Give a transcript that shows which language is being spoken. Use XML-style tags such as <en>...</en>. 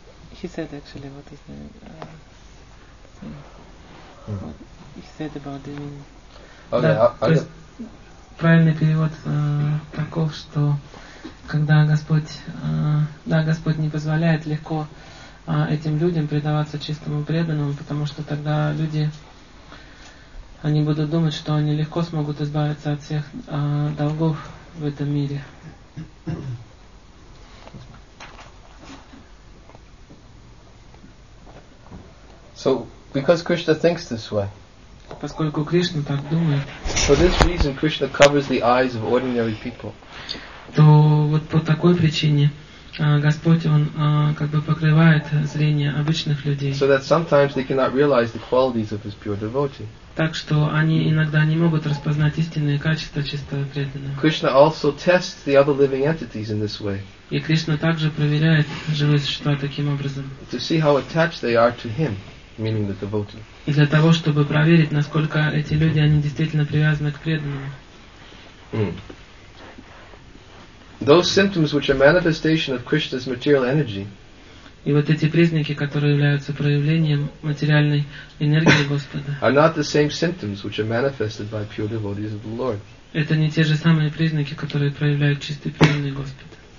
<en>He said actually what is the what he said about the meaning. Okay,</en> <ru>да, то есть правильный перевод таков, что когда Господь, да, Господь не позволяет легко этим людям предаваться чистому преданному, потому что тогда люди, они будут думать, что они легко смогут избавиться от всех долгов в этом мире.</ru> <en>So, because Krishna thinks this way,</en> <ru>поскольку Кришна так думает,</ru> <en>for this reason Krishna covers the eyes of ordinary people.</en> <ru>То вот по такой причине Господь он как бы покрывает зрение обычных людей.</ru> <en>So that sometimes they cannot realize the qualities of his pure devotee.</en> <ru>Так что они иногда не могут распознать истинные качества чисто преданных.</ru> <en>Krishna also tests the other living entities in this way.</en> <ru>И Кришна также проверяет живые существа таким образом.</ru> <en>To see how attached they are to him. Meaning the devotee.</en> <ru>И для того, чтобы проверить, насколько эти люди, они действительно привязаны к преданному.</ru> <en>Those symptoms which are manifestation of Krishna's material energy.</en> <ru>И вот эти признаки, которые являются проявлением материальной энергии Господа.</ru> <en>Are not the same symptoms which are manifested by pure devotees of the Lord.</en> <ru>Это не те же самые признаки, которые проявляют чистые преданные Господа.</ru>